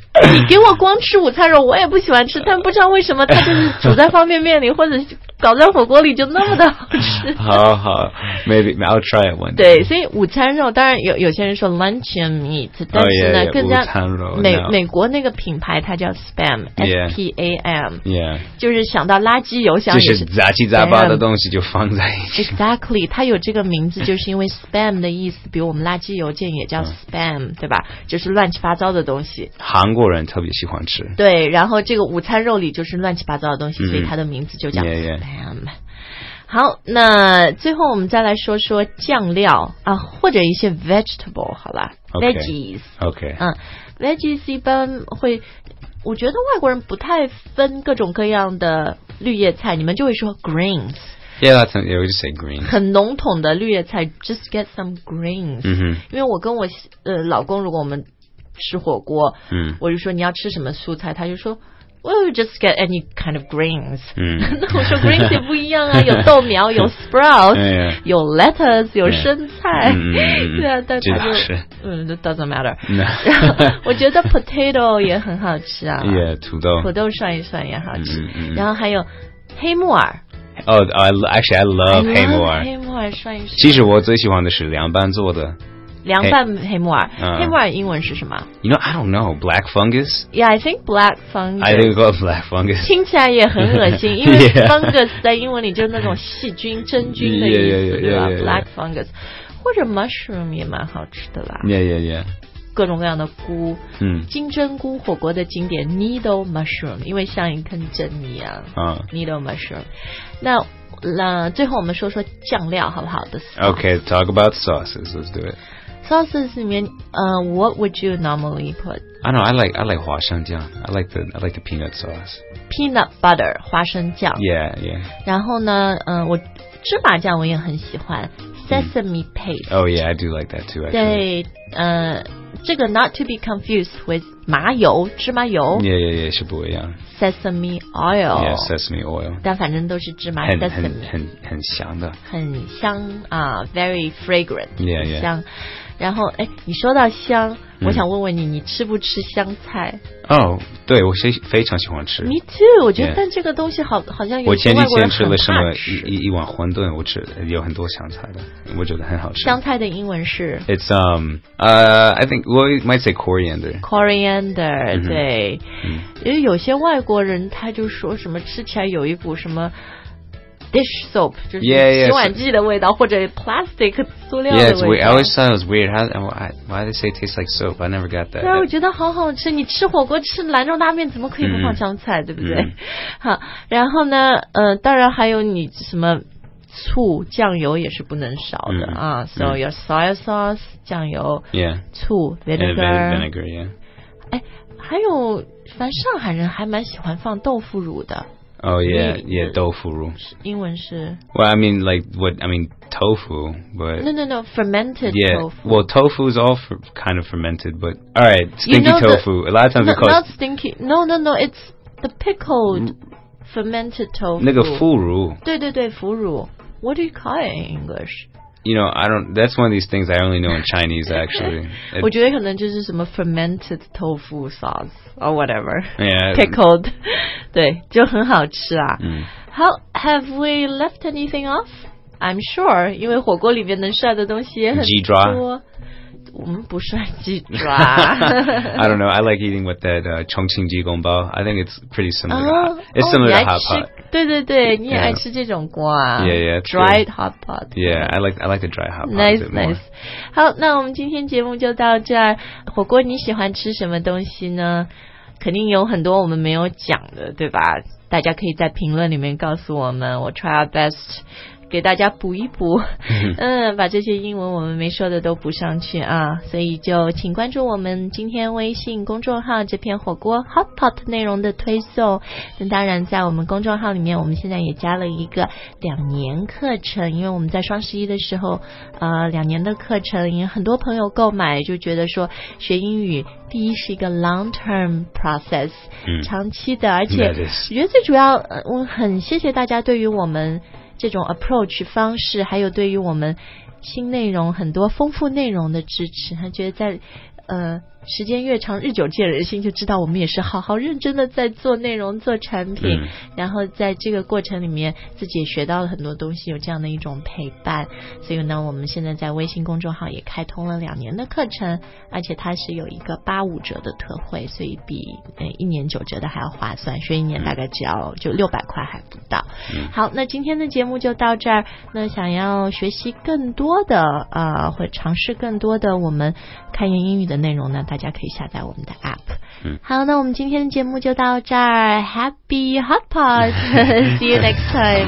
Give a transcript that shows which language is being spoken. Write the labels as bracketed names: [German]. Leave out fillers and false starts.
[Chinese] 你给我光吃午餐肉，我也不喜欢吃。但不知道为什么，它就是煮在方便面里，或者搞在火锅里，就那么的好吃。好好 [English] ，maybe I'll try it one day. [Chinese] 对，所以午餐肉当然有些人说 lunch meat， 但是呢， [English] oh, yeah, yeah, [Chinese] 更加午餐肉美国那个品牌它叫 spam， S P A M， [English] yeah， [Chinese] 就是想到垃圾邮箱也是，就是杂七杂八的东西就放在一起。 [English] Exactly， [Chinese] 它有这个名字就是因为 spam 的意思，比如我们垃圾邮件也叫 spam， 对吧？就是乱七八糟的东西。韩国人特别喜欢吃。对，然后这个午餐肉里就是乱七八糟的东西，所以它的名字就叫 spam。 [English] Yeah, yeah. [Chinese] 好，那最后我们再来说说酱料啊，或者一些 vegetable 好了 ，veggies。 [English] OK， [Chinese] 嗯 ，veggies 一般会，我觉得外国人不太分各种各样的绿叶菜，你们就会说 greens。 [English] Yeah, that's yeah. We just say greens. [Chinese] 很笼统的绿叶菜 ， [English] just get some greens。 [Chinese] 嗯，因为我跟我老公，如果我们吃火锅，嗯，我就说你要吃什么蔬菜，他就说。 [English] Well, just get any kind of greens. [Chinese] 那我说 greens 也不一样啊，有豆苗，有 sprouts, 有 lettuce, 有生菜。对啊，但他就嗯 ， [English] doesn't matter. [Chinese] 我觉得 potato 也很好吃啊。 Yeah, 土豆。土豆涮一涮也好吃。然后还有黑木耳。 [English] Oh, actually, I love 黑木耳。 [Chinese] 黑木耳涮一涮。其实我最喜欢的是凉拌做的。凉拌黑木耳，黑木耳英文是什么 [English] ？You know, I don't know. Black fungus. Yeah, I think black fungus. I think it's called black fungus. [Chinese] 听起来也很恶心，因为 fungus 在英文里就是那种细菌、真菌的意思， [English] yeah, yeah, yeah, [Chinese] 对吧 [English] yeah, yeah, yeah. [Chinese] ？Black fungus， 或者 mushroom 也蛮好吃的啦。 [English] Yeah, yeah, yeah. [Chinese] 各种各样的菇，嗯，金针菇火锅的经典 needle mushroom， 因为像一根针一样。 Needle mushroom， 那。最后我们说说酱料好不好 [English] Okay, talk about sauces. Let's do it. Sauces 里面，what would you normally put? I don't know. I like 花生酱 I like the peanut sauce. Peanut butter 花生酱 Yeah, yeah. [Chinese] 然后呢，我芝麻酱我也很喜欢 [English] Sesame paste. Oh yeah, I do like that too. Actually. [Chinese] 对，这个 [English] not to be confused with [Chinese] 麻油芝麻油 [English] yeah, yeah, yeah, [Chinese] 是不一样 [English] Sesame oil Yeah, sesame oil [Chinese] 但反正都是芝麻很香的很香啊、 [English] very fragrant yeah, yeah. [Chinese] 香然后你说到香、我想问问你你吃不吃香菜哦、oh, 对我非常喜欢吃 [English] Me too [Chinese] 我觉得、 [English] yeah. [Chinese] 但这个东西 好像我前几天吃了什么一碗馄饨我吃有很多香菜的我觉得很好吃香菜的英文是 [English] It's I think we might say coriander Coriander、mm-hmm. [Chinese] 对、 [English] mm-hmm. [Chinese] 因为有些外国人他就说什么吃起来有一股什么Dish soap, 就是 [English] yeah, yeah, [Chinese] 洗碗剂的味道，或者 plastic 塑料的味道。 [English] Yeah, it's weird. I always thought it was weird. Why they say it tastes like soap? I never got that. [Chinese] 对啊，我觉得好好吃。你吃火锅吃兰州拉面，怎么可以不放香菜？ [English] Mm-hmm. [Chinese] 对不对？ [English] Mm-hmm. [Chinese] 好，然后呢，当然还有你什么醋、酱油也是不能少的、mm-hmm. 啊。 [English] So、mm-hmm. your soy sauce, 酱油，yeah, 醋 ，vinegar, and vinegar, yeah. [Chinese] 哎，还有，反上海人还蛮喜欢放豆腐乳的。 [English] Oh yeah, yeah, 豆腐乳。 [Chinese] 英文是。 [English] Well, I mean, like what I mean, tofu, but. No, fermented yeah, tofu. Well, tofu is all kind of fermented, but all right, stinky you know tofu. A lot of times it's called. Not stinky. No, it's the pickled. fermented tofu. [Chinese] 那个腐乳。对对对，腐乳。 [English] What do you call it in English? You know, I don't, that's one of these things I only know in Chinese, actually. [Chinese] 我觉得可能就是什么 [English] fermented tofu sauce, or whatever. Yeah. Pickled. [Chinese] 对，就很好吃啊。嗯。 [English] How, have we left anything off? I'm sure, [Chinese] 因为火锅里面能涮的东西也很多。鸡爪。我们不涮鸡爪。 [English] I don't know, I like eating with that, [Chinese] 重庆鸡公包。 [English] I think it's pretty similar to hot, it's similar to hot pot. [Chinese] 对对对，你也爱吃这种锅啊。 [English] Yeah, yeah. Dried hot pot. Yeah, I like the dry hot pot. Nice, nice. [Chinese] 好，那我们今天节目就到这儿。火锅你喜欢吃什么东西呢？肯定有很多我们没有讲的，对吧？大家可以在评论里面告诉我们，我 [English] try our best. [Chinese] 给大家补一补，嗯，把这些英文我们没说的都补上去啊，所以就请关注我们今天微信公众号这篇火锅 hot pot 内容的推送。那当然，在我们公众号里面，我们现在也加了一个两年课程，因为我们在双十一的时候，两年的课程，因为很多朋友购买就觉得说学英语。第一是一个 [English] long term process、 [Chinese] 嗯、长期的，而且我觉得最主要我很谢谢大家对于我们这种 approach 方式还有对于我们新内容很多丰富内容的支持，他觉得在时间越长日久见人心，就知道我们也是好好认真的在做内容做产品、嗯、然后在这个过程里面自己也学到了很多东西，有这样的一种陪伴。所以呢我们现在在微信公众号也开通了两年的课程，而且它是有一个85折的特惠，所以比一年9折的还要划算，学一年大概只要就600块还不到、嗯、好，那今天的节目就到这儿。那想要学习更多的或尝试更多的我们开言英语的内容呢，大家可以下载我们的 app、嗯、好，那我们今天的节目就到这儿。 [English] Happy Hot Pot. See you next time.